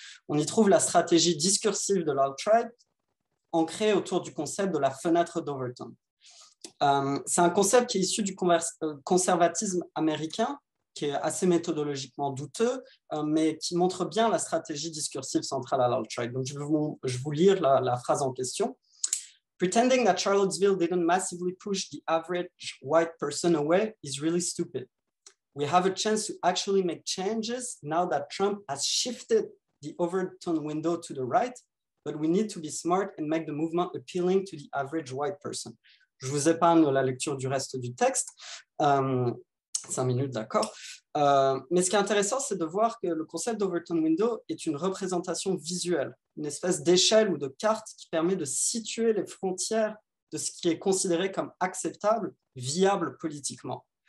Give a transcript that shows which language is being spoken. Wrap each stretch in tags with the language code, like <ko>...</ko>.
<fr>On y trouve la stratégie discursive de l'alt-right ancrée autour du concept de la fenêtre d'Overton. C'est un concept qui est issu du conservatisme américain, qui est assez méthodologiquement douteux, mais qui montre bien la stratégie discursive centrale à l'alt-right. Donc, je vais vous lire la phrase en question.</fr> <en>Pretending that Charlottesville didn't massively push the average white person away is really stupid. We have a chance to actually make changes now that Trump has shifted the Overton window to the right, but we need to be smart and make the movement appealing to the average white person.</en> <fr>Je vous épargne la lecture du reste du texte. Cinq minutes, d'accord. Mais ce qui est intéressant, c'est de voir que le concept d'Overton Window est une représentation visuelle, une espèce d'échelle ou de carte qui permet de situer les frontières de ce qui est considéré comme acceptable, viable politiquement.</fr>